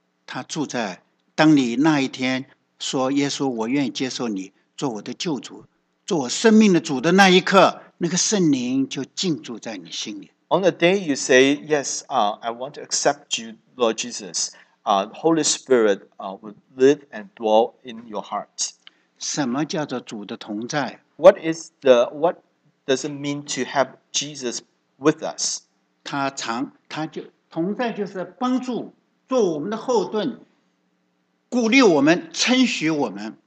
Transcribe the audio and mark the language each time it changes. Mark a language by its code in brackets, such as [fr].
[zh] 他住在, 当你那一天说耶稣我愿意接受你, 做我的救主, 做我生命的主的那一刻, 那个圣灵就进驻在你心里。 [en] On the day you say, yes, I want to accept you, Lord Jesus, the Holy Spirit will live and dwell in your heart. [zh] 什么叫做主的同在? [en] What does it mean to have Jesus with us? [zh] 他就 同在就是帮助,做我们的后盾,鼓励我们,称许我们。